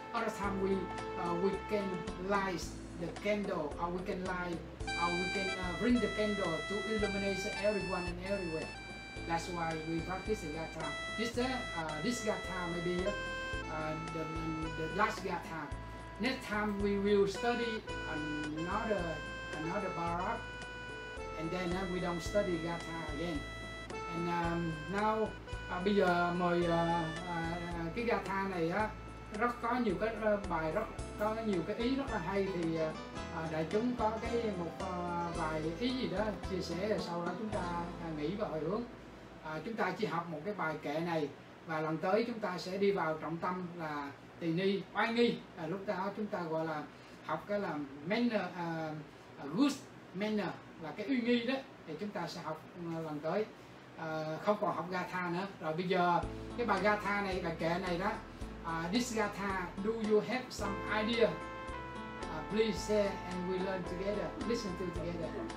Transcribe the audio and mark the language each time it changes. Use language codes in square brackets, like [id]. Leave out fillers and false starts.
[en] Other time we can light the candle, or we can light, or we can bring the candle to illuminate everyone and everywhere. That's why we practice the gatha. This gatha may be the last gatha. Next time we will study another barak, and then we don't study gatha again. And now [vi] bây giờ mời cái gatha này á rất có nhiều cái bài rất có nhiều cái ý rất là hay thì đại chúng có cái một vài ý gì đó chia sẻ rồi sau đó chúng ta nghĩ và hồi hướng. Chúng ta chỉ học một cái bài kệ này và lần tới chúng ta sẽ đi vào trọng tâm là tỳ ni oai nghi, lúc đó chúng ta gọi là học cái là manner, good manner là cái uy nghi đó, thì chúng ta sẽ học lần tới, không còn học gatha nữa. Rồi bây giờ cái bài gatha này, bài kệ này đó, [en] this gatha, do you have some idea? Please share and we learn together, listen to together.